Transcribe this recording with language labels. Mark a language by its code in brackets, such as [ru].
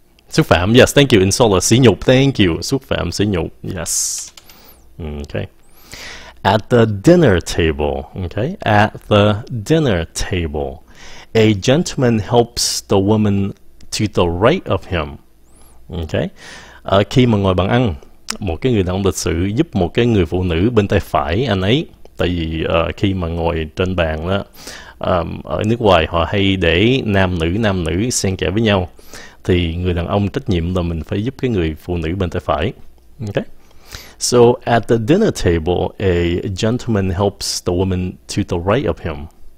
[vi] Xúc phạm, [en] yes, thank you, [vi] insult là sỉ nhục, thank you, xúc phạm, sỉ nhục, yes. [en] Okay. At the dinner table, okay. At the dinner table, a gentleman helps the woman to the right of him, okay. [vi] Khi mà ngồi bàn ăn, một cái người đàn ông lịch sự giúp một cái người phụ nữ bên tay phải anh ấy, tại vì khi mà ngồi trên bàn đó, ở nước ngoài họ hay để nam nữ xen kẽ với nhau, thì người đàn ông trách nhiệm là mình phải giúp cái người phụ nữ bên tay phải, okay. [en] So at the dinner table, a gentleman helps the woman to the right of him.